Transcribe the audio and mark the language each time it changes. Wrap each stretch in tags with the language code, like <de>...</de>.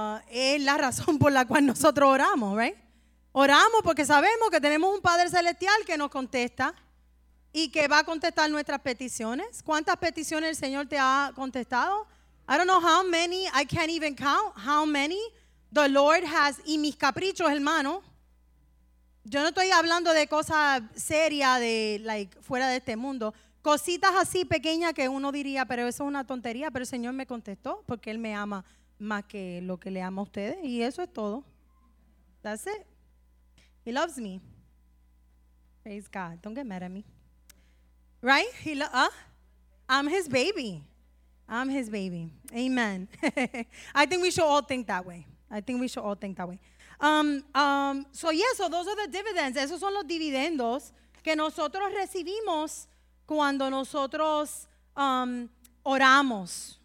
<es>es la razón por la cual nosotros oramos, right? Oramos porque sabemos que tenemos un Padre Celestial que nos contesta y que va a contestar nuestras peticiones. ¿Cuántas peticiones el Señor te ha contestado?</es> <en>I don't know how many, I can't even count how many the Lord has,</en> <es>y mis caprichos, hermano. Yo no estoy hablando de cosas serias, de like fuera de este mundo. Cositas así pequeñas que uno diría, pero eso es una tontería, pero el Señor me contestó porque Él me ama más que lo que le amo a ustedes, y eso es todo.</es> <en>That's it. He loves me. Praise God. Don't get mad at me. Right? I'm his baby. I'm his baby. Amen. I think we should all think that way. I think we should all think that way. So those are the dividends.</en> <es>Esos son los dividendos que nosotros recibimos cuando nosotros oramos.</es>